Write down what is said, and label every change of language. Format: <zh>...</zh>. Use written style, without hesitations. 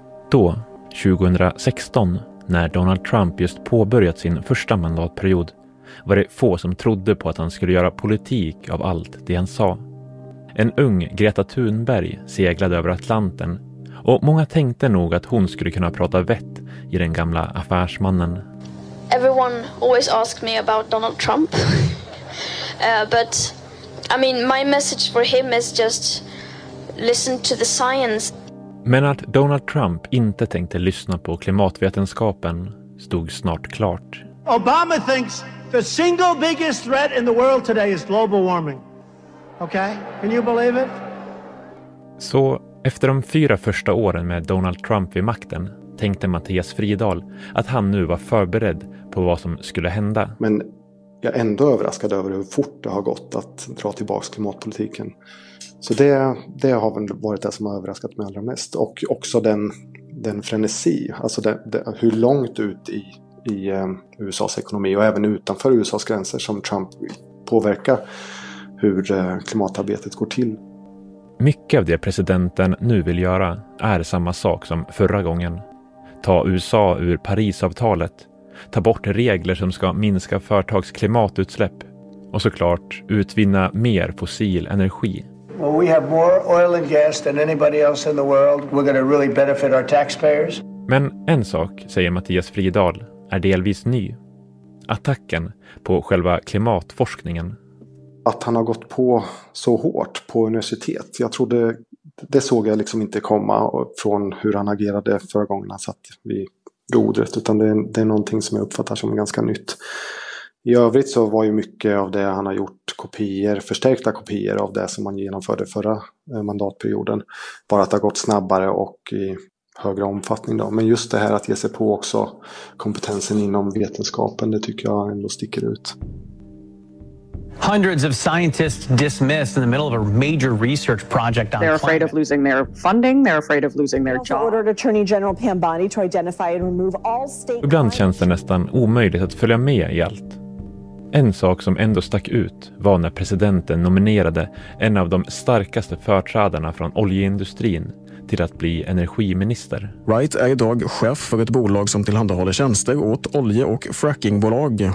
<sv>Då, 2016, när Donald Trump just påbörjat sin första mandatperiod, var det få som trodde på att han skulle göra politik av allt det han sa. En ung Greta Thunberg seglade över Atlanten och många tänkte nog att hon skulle kunna prata vett i den gamla affärsmannen.</sv> <en>Everyone always asks me about Donald Trump. But I mean my message for him is just listen to the science.</en> <sv>Men att Donald Trump inte tänkte lyssna på klimatvetenskapen stod snart klart.</sv> <en>Obama thinks the single biggest threat in the world today is global warming. Okay? Can you believe it?</en> <sv>Så efter de 4 första åren med Donald Trump vid makten tänkte Mattias Fridahl att han nu var förberedd på vad som skulle hända. Men jag är ändå överraskad över hur fort det har gått att dra tillbaka klimatpolitiken. Så det har väl varit det som har överraskat mig allra mest. Och också den frenesi, alltså hur långt ut i USAs ekonomi och även utanför USAs gränser som Trump påverkar hur klimatarbetet går till. Mycket av det presidenten nu vill göra är samma sak som förra gången. Ta USA ur Parisavtalet, ta bort regler som ska minska företags klimatutsläpp och såklart utvinna mer fossil energi.</sv> <en>Well, we have more oil and gas than anybody else in the world. We're going to really benefit our taxpayers.</en> <sv>Men en sak, säger Mattias Fridahl, är delvis ny. Attacken på själva klimatforskningen. Att han har gått på så hårt på universitet. Jag trodde, det såg jag liksom inte komma från hur han agerade förra gången han satt vid rodret. Utan det är någonting som jag uppfattar som ganska nytt. I övrigt så var ju mycket av det han har gjort kopior, förstärkta kopior av det som man genomförde förra mandatperioden. Bara att det har gått snabbare och i högre omfattning då. Men just det här att ge sig på också kompetensen inom vetenskapen, det tycker jag ändå sticker ut.</sv> <en>Hundreds of scientists dismissed in the middle of a major research project on They're afraid climate. Of losing their funding, they're afraid of losing their job. Ordered Attorney General Pam Bondi to identify and remove all state.</en> <sv>Ibland känns det nästan omöjligt att följa med i allt. En sak som ändå stack ut var när presidenten nominerade en av de starkaste företrädarna från oljeindustrin till att bli energiminister. Wright är idag chef för ett bolag som tillhandahåller tjänster åt olje- och frackingbolag.</sv>